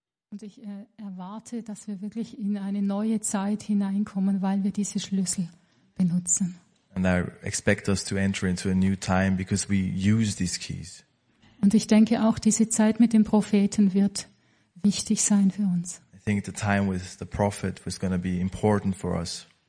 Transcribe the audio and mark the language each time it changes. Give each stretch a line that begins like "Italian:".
German: Und ich erwarte, dass wir wirklich in eine neue Zeit hineinkommen, weil wir diese Schlüssel benutzen.
English: And I expect us to enter into a new time because we use these keys.
German: Und ich denke auch, diese Zeit mit dem Propheten wird wichtig sein für uns.
English: I think the time with the prophet was going to be important for us.